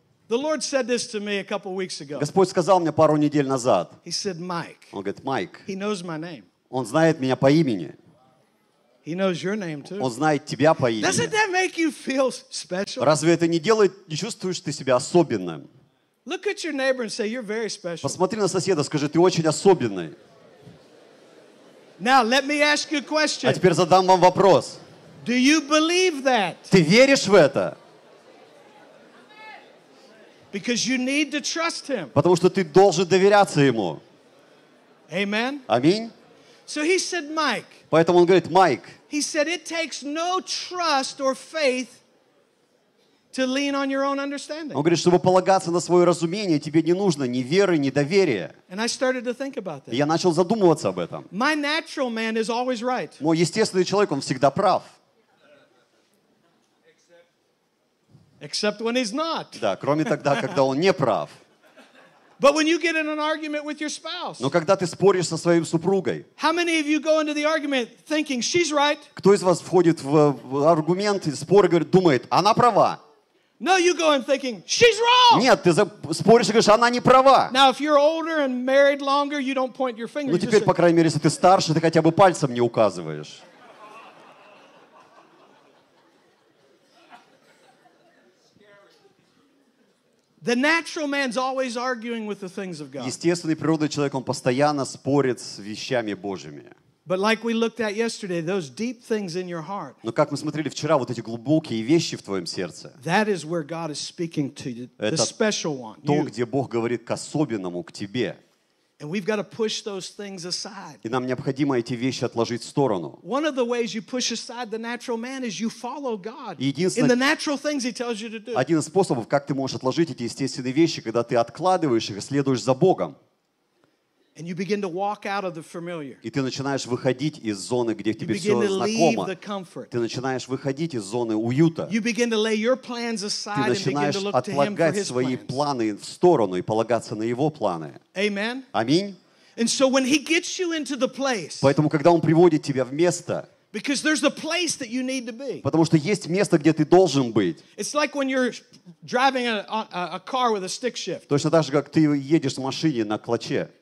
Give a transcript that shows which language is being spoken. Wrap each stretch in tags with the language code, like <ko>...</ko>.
<en>The Lord said this to me a couple weeks ago.</en> <ru>Господь сказал мне пару недель назад.</ru> <en>He said, Mike.</en> <ru>Он говорит, Майк.</ru> <en>He knows my name.</en> <ru>Он знает меня по имени.</ru> <en>He knows your name too.</en> <ru>Он знает тебя по имени.</ru> <en>Doesn't that make you feel special?</en> <ru>Разве это не делает, не чувствуешь ты себя особенным?</ru> <en>Look at your neighbor and say, you're very special.</en> <ru>Посмотри на соседа, скажи, ты очень особенный.</ru> <en>Now let me ask you a question.</en> <ru>А теперь задам вам вопрос.</ru> <en>Do you believe that?</en> <ru>Ты веришь в это?</ru> <en>Because you need to trust him.</en> <ru>Потому что ты должен доверяться ему.</ru> <en>Amen.</en> <ru>Аминь.</ru> <en>So he said, Mike.</en> <ru>Поэтому он говорит, Майк.</ru> <en>He said it takes no trust or faith to lean on your own understanding.</en> <ru>Он говорит, чтобы полагаться на свое разумение, тебе не нужно ни веры, ни доверия.</ru> <en>And I started to think about that.</en> <ru>Я начал задумываться об этом.</ru> <en>My natural man is always right.</en> <ru>Мой естественный человек, он всегда прав.</ru> <en>Except when he's not.</en> <ru>Да, кроме тогда, когда он не прав.</ru> <en>But when you get in an argument with your spouse.</en> <ru>Но когда ты споришь со своей супругой.</ru> <en>How many of you go into the argument thinking she's right?</en> <ru>Кто из вас входит в аргумент и спор и говорит, думает, она права?</ru> <en>No, you go in thinking she's wrong.</en> <ru>Нет, ты споришь и говоришь, она не права.</ru> <en>Now, if you're older and married longer, you don't point your finger.</en> <ru>Ну теперь, по крайней мере, если ты старше, ты хотя бы пальцем не указываешь.</ru> <en>The natural man's always arguing with the things of God.</en> <ru>Естественный природный человек, он постоянно спорит с вещами Божьими.</ru> <en>But like we looked at yesterday, those deep things in your heart.</en> <ru>Но как мы смотрели вчера, вот эти глубокие вещи в твоем сердце.</ru> <en>That is where God is speaking to you, the special one.</en> <ru>То, где Бог говорит к особенному, к тебе.</ru> <en>And we've got to push those things aside.</en> <ru>И нам необходимо эти вещи отложить в сторону.</ru> <en>One of the ways you push aside the natural man is you follow God. In the natural things he tells you to do.</en> <ru>Один из способов, как ты можешь отложить эти естественные вещи, когда ты откладываешь их и следуешь за Богом.</ru> <en>And you begin to walk out of the familiar.</en> <ru>И ты начинаешь выходить из зоны, где тебе все знакомо.</ru> <en>The comfort.</en> <ru>Ты начинаешь выходить из зоны уюта.</ru> <en>You begin to lay your plans aside.</en> <ru>Ты начинаешь отлагать свои планы в сторону и полагаться на его планы.</ru> <en>Amen.</en> <ru>Аминь.</ru> <en>And so when he gets you into the place.</en> <ru>Поэтому когда он приводит тебя в место.</ru> <en>Because there's a place that you need to be.</en> <ru>Потому что есть место, где ты должен быть.</ru> <en>It's like when you're driving a car with a stick shift.</en> <ru>Точно так же, как ты едешь в машине на клаче.</ru>